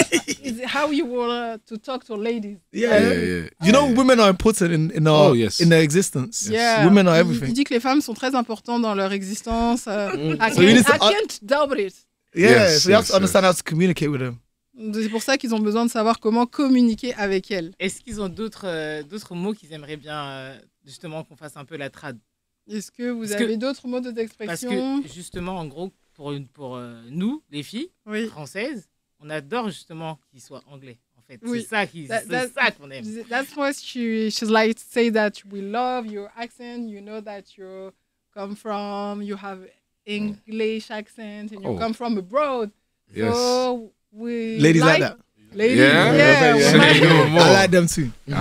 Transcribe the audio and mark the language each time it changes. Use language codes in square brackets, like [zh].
[en] Is it how you want to talk to ladies? Yeah. You know, women are important in our in their existence. Yes. Yeah. Women are everything. [fr] Tu dis que les femmes sont très importantes dans leur existence. [en] I can't doubt it. Yes, you have to understand how to communicate with them. [fr] C'est pour ça qu'ils ont besoin de savoir comment communiquer avec elles. Est-ce qu'ils ont d'autres mots qu'ils aimeraient bien justement qu'on fasse un peu la trad? Est-ce que vous avez d'autres mots d'expression? Parce que justement, en gros, pour nous, les filles françaises, on adore justement qu'ils soient anglais. En fait, c'est ça qu'on aime. [en] That's why she's like to say that we love your accent. You know that you come from, you have English accent, and you come from abroad. Yes. So we ladies like that. Ladies, yeah. Yeah. Yeah. I like them too.